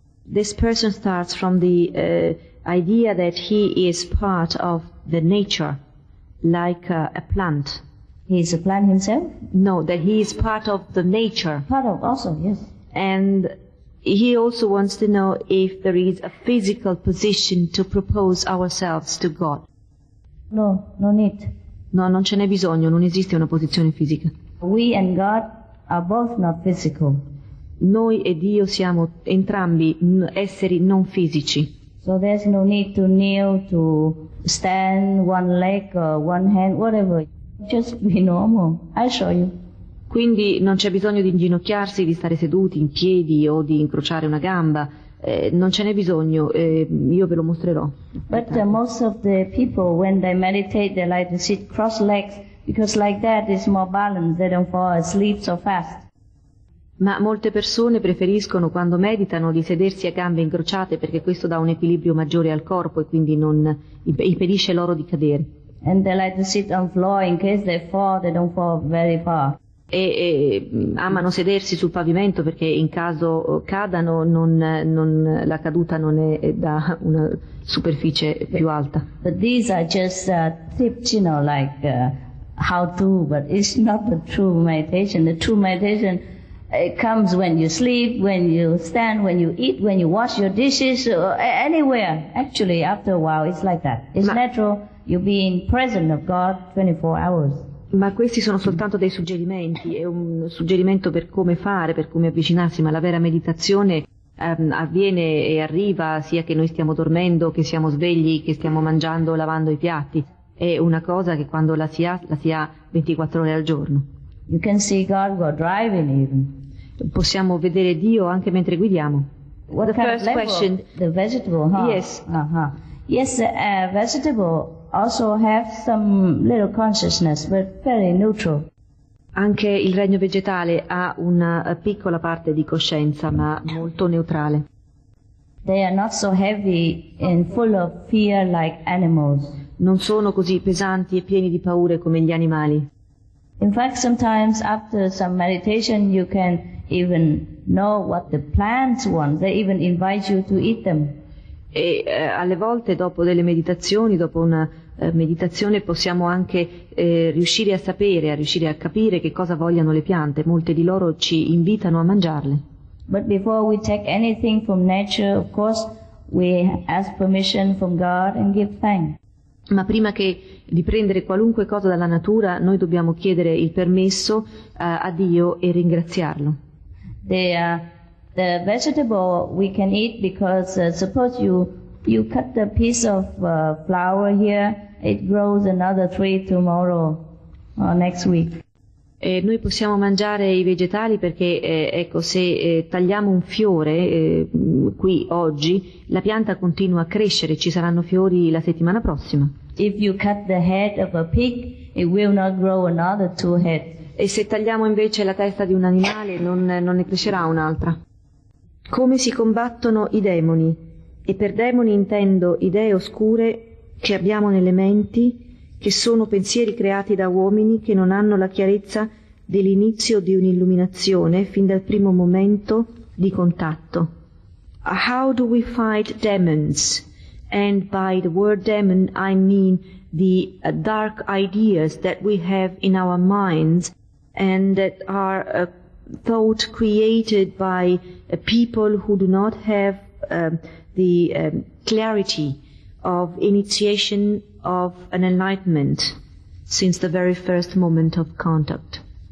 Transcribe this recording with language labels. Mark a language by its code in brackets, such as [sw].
[en] This person starts from the idea that he is part of the nature, like a plant. He is a plant himself? No, that he is part of the nature. Part of, also, yes. And he also wants to know if there is a physical position to propose ourselves to God. No, no need. [it] No, non ce n'è bisogno, non esiste una posizione fisica. [en] We and God are both not physical. [it] Noi e Dio siamo entrambi esseri non fisici. [en] So there's no need to kneel, to stand, one leg or one hand, whatever. Just be normal. I'll show you. [it] Quindi non c'è bisogno di inginocchiarsi, di stare seduti in piedi o di incrociare una gamba. Non ce n'è bisogno, io ve lo mostrerò. [en] But most of the people when they meditate they like to sit cross legs because like that is more balanced, they don't fall asleep so fast. [it] Ma molte persone preferiscono quando meditano di sedersi a gambe incrociate perché questo dà un equilibrio maggiore al corpo e quindi non impedisce loro di cadere. [en] And they like to sit on floor in case they fall, they don't fall very far. [it] E amano sedersi sul pavimento perché in caso cadano non la caduta non è da una superficie più alta. [en] But these are just tips, you know, like how to, but it's not the true meditation. The true meditation it comes when you sleep, when you stand, when you eat, when you wash your dishes, anywhere. Actually, after a while, it's like that. It's natural. You'll be in presence of God 24 hours. [it] Ma questi sono soltanto dei suggerimenti, è un suggerimento per come fare, per come avvicinarsi, ma la vera meditazione avviene e arriva sia che noi stiamo dormendo, che siamo svegli, che stiamo mangiando, lavando i piatti. È una cosa che quando la si ha 24 ore al giorno. [en] You can see God while driving even. [it] Possiamo vedere Dio anche mentre guidiamo. [en] What the first question? The vegetable, huh? Yes. Uh-huh. Yes, vegetable also have some little consciousness, but very neutral. [it] Anche il regno vegetale ha una piccola parte di coscienza, ma molto neutrale. [en] They are not so heavy and full of fear like animals. [it] Non sono così pesanti e pieni di paure come gli animali. [en] In fact, sometimes after some meditation you can even know what the plants want. They even invite you to eat them. [it] E alle volte dopo delle meditazioni, dopo una meditazione possiamo anche riuscire a sapere, a riuscire a capire che cosa vogliono le piante. Molte di loro ci invitano a mangiarle. [en] But before we take anything from nature, of course, we ask permission from God and give thanks. [it] Ma prima che di prendere qualunque cosa dalla natura, noi dobbiamo chiedere il permesso a Dio e ringraziarlo. [en] The vegetable we can eat because suppose you cut a piece of flower here, it grows another tree tomorrow or next week. [it] Noi possiamo mangiare i vegetali perché ecco, se tagliamo un fiore qui oggi, la pianta continua a crescere, ci saranno fiori la settimana prossima. [en] If you cut the head of a pig, it will not grow another two heads. [it] E se tagliamo invece la testa di un animale, non ne crescerà un'altra. Come si combattono i demoni? E per demoni intendo idee oscure che abbiamo nelle menti, che sono pensieri creati da uomini che non hanno la chiarezza dell'inizio di un'illuminazione fin dal primo momento di contatto. [en] How do we fight demons? And by the word demon I mean the dark ideas that we have in our minds and that are thought created by people who do not have the clarity of initiation of an enlightenment since the very first moment of contact.